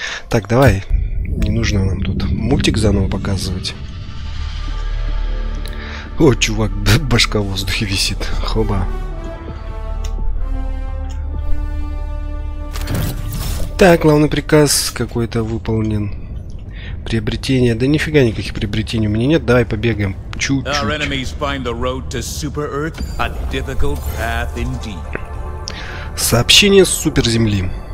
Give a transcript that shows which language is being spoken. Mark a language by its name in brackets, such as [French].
[Russian] Так, давай, не нужно нам тут мультик заново показывать. О, чувак, башка в воздухе висит, хоба. Так, главный приказ какой-то выполнен. Приобретения, да нифига никаких приобретений у меня нет, давай побегаем. [English] Our enemies find the road to Super Earth a difficult path indeed. [Russian] Сообщение с Суперземли.